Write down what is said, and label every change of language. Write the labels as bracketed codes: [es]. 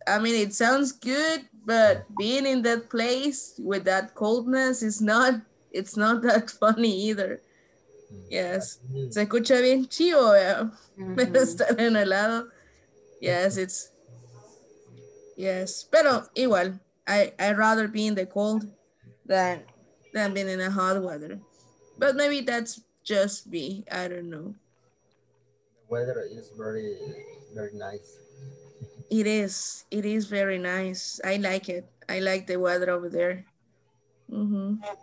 [en] I mean, it sounds good, but being in that place with that coldness is not, it's not that funny either. Yes. [es] Se escucha bien chivo, pero estar en el lado. [en] Yes, it's, yes. [es] Pero igual, [en] I'd rather be in the cold than being in a hot weather. But maybe that's just me. I don't know. Weather is very, very nice. It is. It is very nice. I like it. I like the weather over there. Mm-hmm.